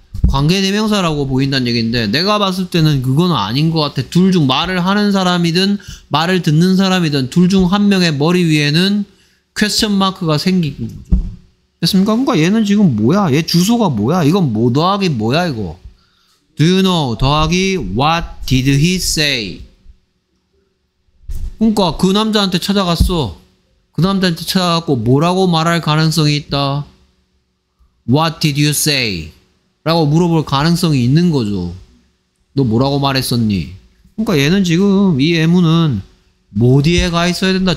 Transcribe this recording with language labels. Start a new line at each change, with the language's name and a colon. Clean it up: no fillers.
Korean: 관계대명사라고 보인다는 얘기인데 내가 봤을 때는 그건 아닌 것 같아. 둘 중 말을 하는 사람이든 말을 듣는 사람이든 둘 중 한 명의 머리 위에는 퀘스천 마크가 생기는 거죠. 됐습니까? 그러니까 얘는 지금 뭐야? 얘 주소가 뭐야? 이건 뭐 더하기 뭐야 이거?
English: Do you know
Korean: 더하기
English: what did he say?
Korean: 그러니까 그 남자한테 찾아갔어. 그 남자한테 찾아갔고 뭐라고 말할 가능성이 있다?
English: What did you say?
Korean: 라고 물어볼 가능성이 있는 거죠. 너 뭐라고 말했었니? 그러니까 얘는 지금 이 애문은 어디에 가 있어야 된다?